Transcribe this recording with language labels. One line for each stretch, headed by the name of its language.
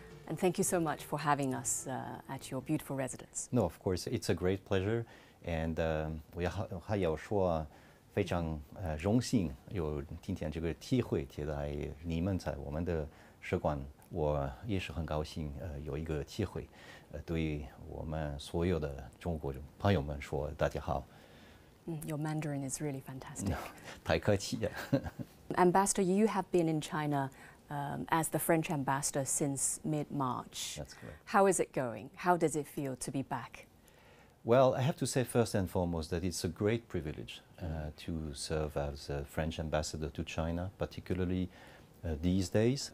English: And thank you so much for having us at your beautiful residence. No, of course, it's a great pleasure.
Chinese: And 我还要说非常荣幸有今天这个机会接待你们在我们的使馆。我也是很高兴有一个机会对我们所有的中国朋友们说大家好。
English: Your Mandarin is really fantastic.
Chinese: 太客气了。
English: Ambassador, you have been in China as the French ambassador since mid-March. That's correct. How is it going? How does it feel to be back? Well, I have to say first and foremost that it's a great privilege to serve as a French ambassador to China, particularly these days.